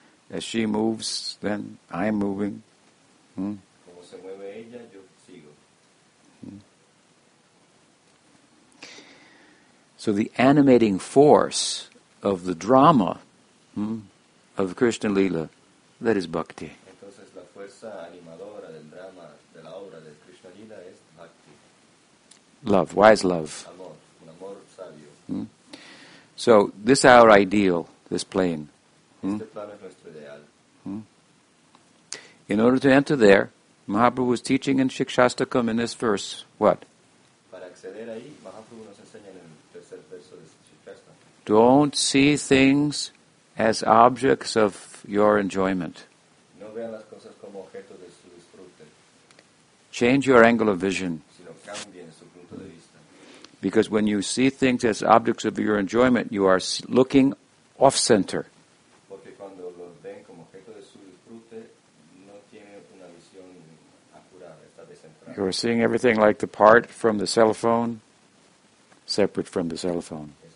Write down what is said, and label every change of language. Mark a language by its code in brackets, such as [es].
[en] As she moves, then I am moving. [es] Como se mueve ella, yo sigo. [en] So the animating force of the drama of Krishna Lila, that is bhakti. [es] Entonces la fuerza animadora del drama de la obra de Krishna Lila es bhakti. [en] Love, wise love. [es] Amor, un amor sabio. [en] So this our ideal, this plane. [es] Este plano es nuestro ideal. [en] In order to enter there, Mahaprabhu was teaching in Siksastakam in this verse, what? [es] Para acceder ahí, Mahaprabhu nos enseña en el tercer verso de Siksastakam. [en] Don't see things as objects of your enjoyment. [es] No vean las cosas como objeto de su disfrute. [en] Change your angle of vision. [es] Sino cambien su punto de vista. [en] Because when you see things as objects of your enjoyment, you are looking off-center. [es] Porque cuando los ven como objeto de su disfrute, no tiene una visión acurada, está descentrada. [en] You're seeing everything like the part from the cell phone, separate from the cell phone.